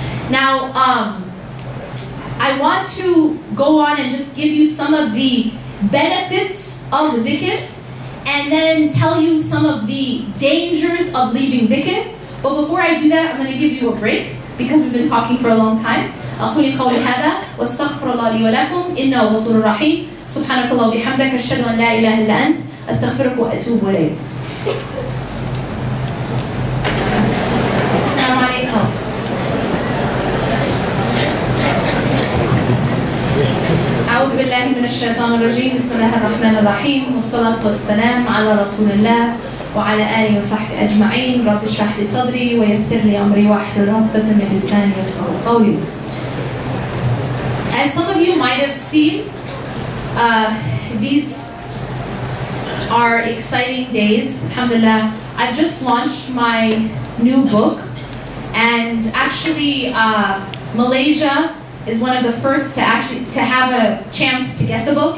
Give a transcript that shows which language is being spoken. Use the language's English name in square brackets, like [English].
[English] Now, I want to go on and just give you some of the benefits of dhikr, and then tell you some of the dangers of leaving dhikr. But before I do that, I'm going to give you a break, because we've been talking for a long time. [Arabic] أقول قولي هذا واستغفر الله لي ولكم إنه غفور رحيم سبحانك الله وبحمدك أشهد أن لا إله إلا أنت أستغفرك وأتوب إليك. السلام عليكم. أعوذ بالله من الشيطان الرجيم. بسم الله الرحمن الرحيم والصلاة والسلام على رسول الله وعلى آله وصحبه أجمعين. رب اشرح لي صدري ويسر لي أمري واحلل عقدة من لساني يفقهوا قولي. [English] As some of you might have seen, these are exciting days. Alhamdulillah, I've just launched my new book. And actually, Malaysia is one of the first to have a chance to get the book.